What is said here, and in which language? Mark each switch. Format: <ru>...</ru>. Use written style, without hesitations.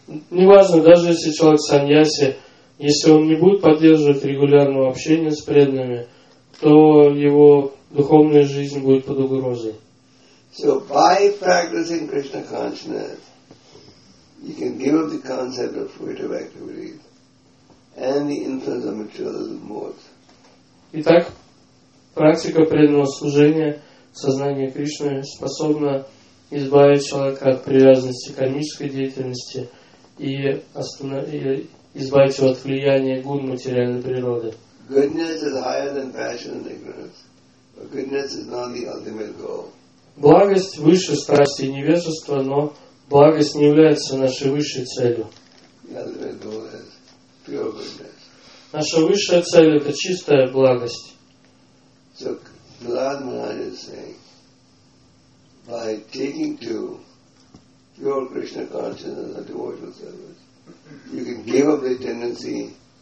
<ru>Не важно, даже если человек саньяси, если он не будет поддерживать регулярное общение с преданными, то его духовная жизнь будет под угрозой.</ru> <en>So by practicing Krishna consciousness, you can give up the concept of fruitive activities and the influence of materialism both.</en> <ru>Итак, практика преданного служения сознания Кришны способна избавить человека от привязанности к кармической деятельности и избавить его от влияния гун материальной природы.</ru> <en>Goodness is higher than passion and ignorance, but goodness is not the ultimate goal.</en> <ru>Благость выше страсти и невежества, но благость не является нашей высшей целью.</ru> <en>The ultimate goal is pure goodness.</en> <ru>Наша высшая цель — это чистая благость.</ru> <en>So, Lord Maharaj is saying, by taking to pure Krishna consciousness and devotional service, you can give up the tendency.</en>